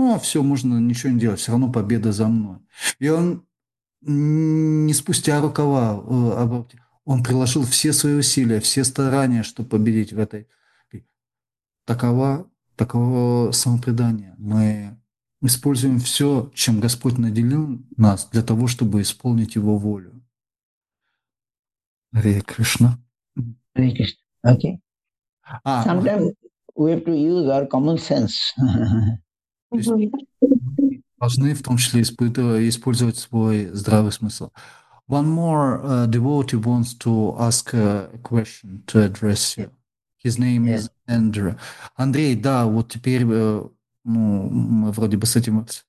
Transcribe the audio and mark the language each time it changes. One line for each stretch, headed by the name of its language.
Russian: Все, можно ничего не делать, все равно победа за мной. И он не спустя рукава, он приложил все свои усилия, все старания, чтобы победить в этой. Таково самопредание. Мы используем все, чем Господь наделил нас, для того, чтобы исполнить Его волю.
English: Hare Krishna. Hare Krishna. Okay. Sometimes we have to use our common sense.
Russian: То есть мы должны в том числе использовать свой здравый смысл.
English: One more devotee wants to ask a question to address you. His name is Andrew.
Russian: Андрей, да, вот теперь мы вроде бы с этим...